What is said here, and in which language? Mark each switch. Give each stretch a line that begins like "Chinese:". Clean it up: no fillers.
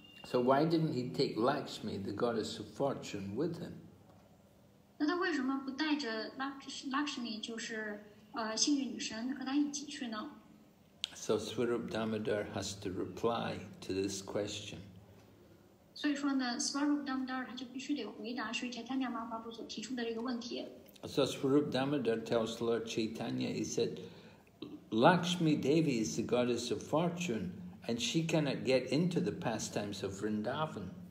English: So why didn't he take Lakshmi, the goddess of fortune, with him?
Chinese: 那他为什么不带着 Lakshmi, 就是幸运女神和他一起去呢？
English: So Swarup Damodar has to reply to this question.
Chinese: 所以说呢 ，Swarup Damodar 他就必须得回答 Sri Chaitanya Mahaprabhu 所提出的这个问题。
English: So Swarup Damodar tells Lord Chaitanya, he said, Lakshmi Devi is the goddess of fortune, and she cannot get into the pastimes of Vrindavan.